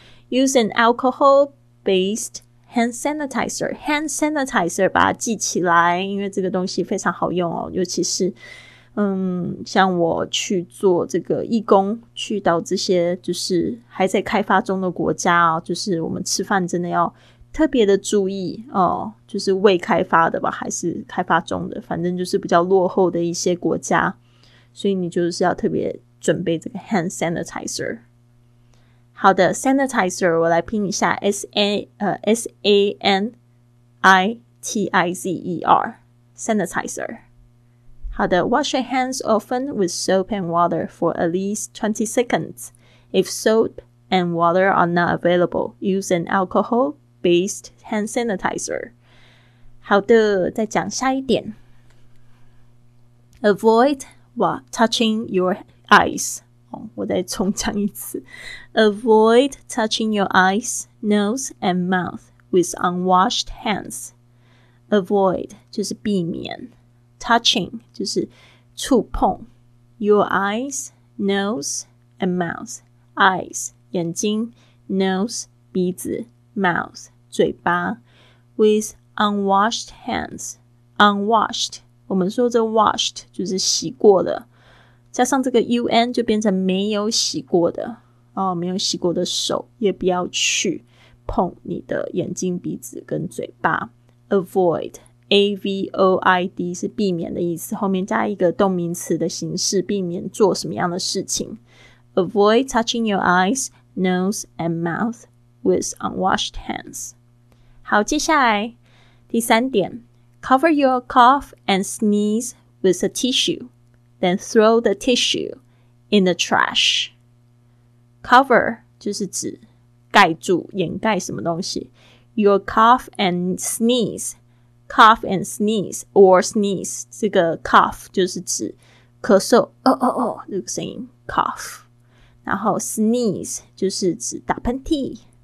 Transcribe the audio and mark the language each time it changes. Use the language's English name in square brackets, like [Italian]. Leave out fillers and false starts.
[English] Use an alcohol based hand sanitizer, [Chinese] hand sanitizer, 把它记起来，因为这个东西非常好用哦，尤其是像我去做这个义工，去到这些就是还在开发中的国家哦，就是我们吃饭真的要特别的注意哦，就是未开发的吧，还是开发中的，反正就是比较落后的一些国家，所以你就是要特别准备这个 hand sanitizer。好的 ,sanitizer, 我来拼一下 , [English] S-A-N-I-T-I-Z-E-R, [Chinese] sanitizer. 好的 [English] ,wash your hands often with soap and water for at least 20 seconds. If soap and water are not available, use an alcohol-based hand sanitizer. [Chinese] 好的再讲下一点。 [English] Avoid touching your eyes. [Chinese] 我再重讲一次 [English] Avoid touching your eyes, nose and mouth with unwashed hands. Avoid [Chinese] 就是避免 [English] Touching [Chinese] 就是触碰 [English] Your eyes, nose and mouth. Eyes [Chinese] 眼睛 [English] Nose [Chinese] 鼻子 [English] Mouth [Chinese] 嘴巴 [English] With unwashed hands. Unwashed [Chinese] 我们说这 washed 就是洗过的，加上这个 UN 就变成没有洗过的哦，没有洗过的手，也不要去碰你的眼睛鼻子跟嘴巴。 [English] Avoid A-V-O-I-D [Chinese] 是避免的意思，后面加一个动名词的形式，避免做什么样的事情。 [English] Avoid touching your eyes, nose and mouth with unwashed hands. [Chinese] 好，接下来第三点， [English] Cover your cough and sneeze with a tissueThen throw the tissue in the trash. [Chinese] Cover 就是指盖住，掩盖什么东西。 [English] Your cough and sneeze. Cough and sneeze or sneeze. [Chinese] 这个 cough 就是指咳嗽，哦哦哦，这个声音 cough. 然后 sneeze 就是指打喷嚏。